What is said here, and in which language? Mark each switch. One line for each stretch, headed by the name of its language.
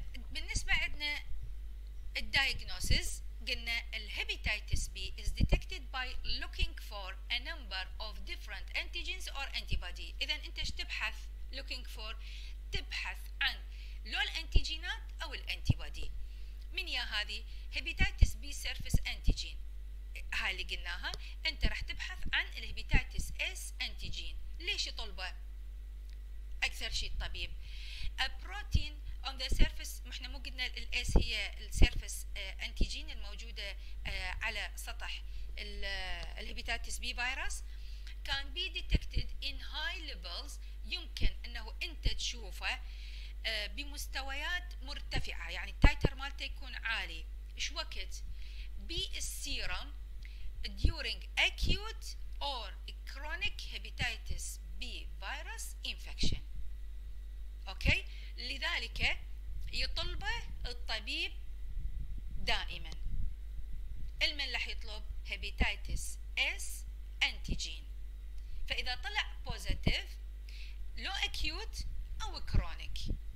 Arabic: بالنسبة عندنا الدايغنوسيس قلنا الهيباتيتس بي
English: is detected by looking for a number of different antigens or antibody.
Arabic: إذا أنت إيش تبحث
English: looking for؟
Arabic: تبحث عن لو الأنتيجينات أو الأنتيبادي. من يا هذه هيباتيتس بي سيرفيس أنتيجين، هاي اللي قلناها، أنت راح تبحث عن الهيباتيتس إس أنتيجين. ليش يطلبه أكثر شيء الطبيب؟
English: a protein on the surface،
Arabic: ما إحنا مو قلنا الإس هي السيرفيس أنتيجين الموجودة على سطح الهيباتيتس بي فيروس.
English: can be detected in high levels،
Arabic: يمكن أنه أنت تشوفه بمستويات مرتفعة، يعني التايتر مالته يكون عالي. إيش وقت؟ بالسيرم
English: during acute or chronic hepatitis B virus infection.
Arabic: أوكي؟ لذلك يطلبه الطبيب دائما. المن لح يطلب hepatitis S antigen. فإذا طلع positive لو acute أو chronic.